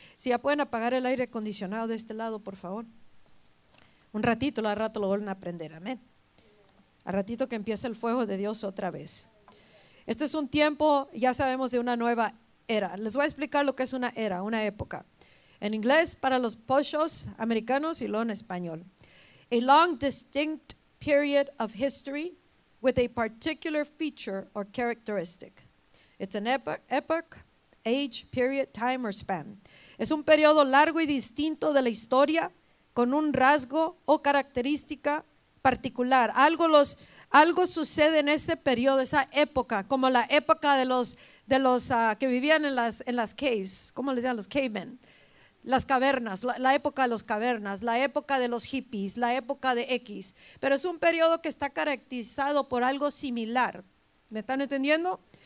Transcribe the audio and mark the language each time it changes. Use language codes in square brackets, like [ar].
[es] Si ya pueden apagar el aire acondicionado de este lado, por favor. Un ratito, al rato lo vuelven a prender, amén. Al ratito que empiece el fuego de Dios otra vez. Este es un tiempo, ya sabemos, de una nueva era. Les voy a explicar lo que es una era, una época. En inglés, para los pochos americanos, y luego en español. [en] A long distinct period of history with a particular feature or characteristic. It's an epoch, age, period, time or span. [es] Es un periodo largo y distinto de la historia con un rasgo o característica particular. Algo sucede en ese periodo, esa época, como la época de los que vivían en las caves, ¿cómo les llaman? Los cavemen, las cavernas, la época de las cavernas, la época de los hippies, la época de X. Pero es un periodo que está caracterizado por algo similar. ¿Me están entendiendo?